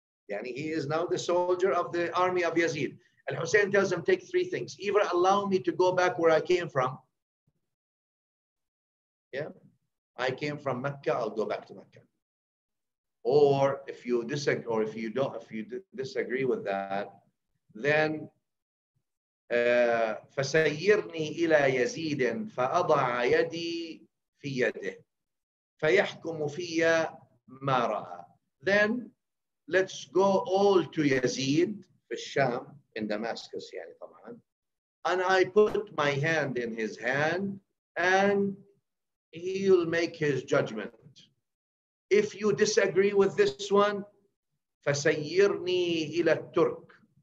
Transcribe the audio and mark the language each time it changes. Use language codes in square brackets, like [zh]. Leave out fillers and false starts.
[en] Yani he is now the soldier of the army of Yazid. And Hussein tells him, take three things. Either allow me to go back where I came from. Yeah? I came from Mecca, I'll go back to Mecca. Or if you disagree with that, then [ar] فسيرني إلى يزيد فأضع يدي في يده فيحكم في ما رأى. [en] Then let's go all to Yazid [ar] في الشام, [en] in Damascus [ar] يعني طبعا. [en] And I put my hand in his hand and he'll make his judgment. If you disagree with this one, [ar] فسيرني إلى الترك.